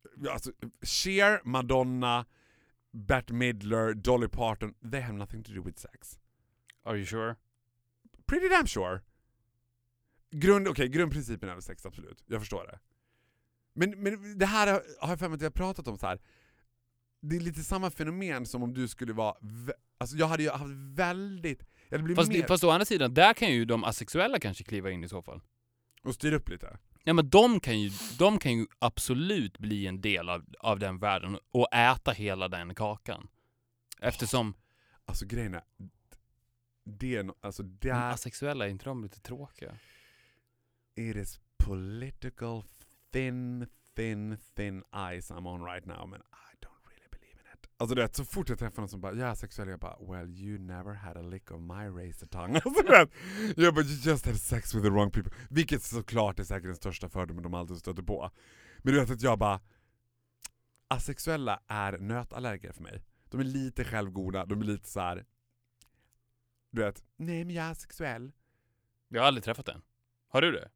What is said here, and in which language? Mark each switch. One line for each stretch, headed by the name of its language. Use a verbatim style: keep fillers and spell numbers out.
English: Alltså, Cher, Madonna, Bette Midler, Dolly Parton, they have nothing to do with sex. Are you sure? Pretty damn sure.
Swedish: Grund, okay, grundprincipen är sex, absolut. Jag förstår det. Men, men det här har jag för mig att jag har pratat om så här. Det är lite samma fenomen som om du skulle vara... Vä- alltså jag hade ju haft väldigt... Jag hade blivit fast, mer... fast å andra sidan, där kan ju de asexuella kanske kliva in i så fall. Och styra upp lite. Ja, men de kan ju, de kan ju absolut bli en del av, av den världen och äta hela den kakan. Eftersom... Oh. Alltså grejen är... Det är no- alltså, där... Men asexuella, är inte de lite tråkiga?
English: It is political thin, thin, thin ice I'm on right now, men I don't really believe in it.
Swedish: Alltså det, så fort jag träffar någon som bara, jag är sexuell, jag bara, well you never had a lick of my razor tongue. Alltså det, jag bara, you just had sex with the wrong people. Vilket såklart är säkert den största fördomen de alltid stöter på. Men du vet att jag bara, asexuella är nötallergiker för mig. De är lite självgoda, de är lite så här. Du vet, nej men jag är asexuell. Jag har aldrig träffat den. Har du det?